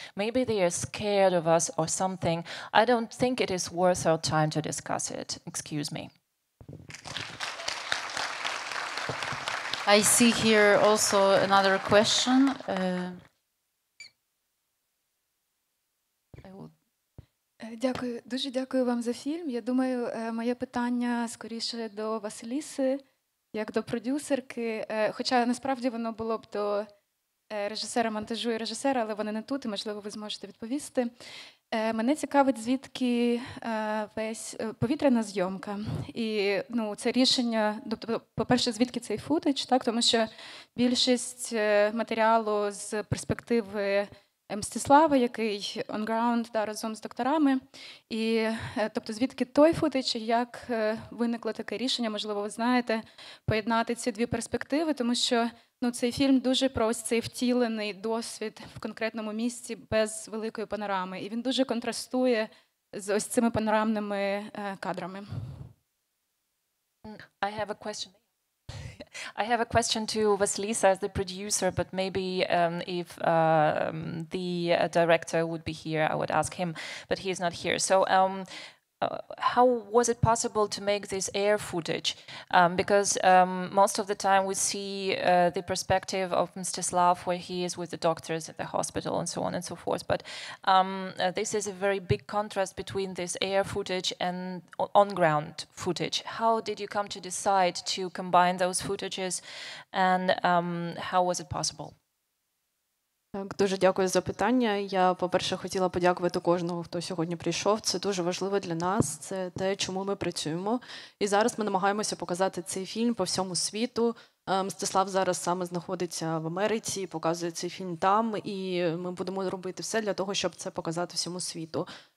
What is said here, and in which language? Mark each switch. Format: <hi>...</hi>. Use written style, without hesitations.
<en>Maybe they are scared of us or something. I don't think it is worth our time to discuss it. Excuse me. I see here also another question.</en> <uk>Дякую, дуже дякую вам за фільм. Я думаю, моє питання скоріше до Василіси, як до продюсерки. Хоча насправді воно було б до режисера монтажу і режисера, але вони не тут, і можливо, ви зможете відповісти. Мене цікавить, звідки весь повітряна зйомка. І ну, це рішення, тобто, по-перше, звідки цей футедж, так? Тому що більшість матеріалу з перспективи Мстислава, який</uk> <en>on ground,</en> <uk>да, разом з докторами. І, тобто, звідки той футедж, як виникло таке рішення, можливо, ви знаєте, поєднати ці дві перспективи, тому що ну, цей фільм дуже про ось цей втілений досвід в конкретному місці без великої панорами. І він дуже контрастує з ось цими панорамними кадрами.</uk> <en>I have a question. I have a question to Vasilisa as the producer, but maybe if the director would be here, I would ask him, but he is not here. So how was it possible to make this air footage? Because most of the time we see the perspective of Mstislav where he is with the doctors at the hospital and so on and so forth. But this is a very big contrast between this air footage and on-ground footage. How did you come to decide to combine those footages and how was it possible?</en> <uk>Так, дуже дякую за питання. Я, по-перше, хотіла подякувати кожного, хто сьогодні прийшов. Це дуже важливо для нас, це те, чому ми працюємо. І зараз ми намагаємося показати цей фільм по всьому світу. Мстислав зараз саме знаходиться в Америці, показує цей фільм там, і ми будемо робити все для того, щоб це показати всьому світу.</uk>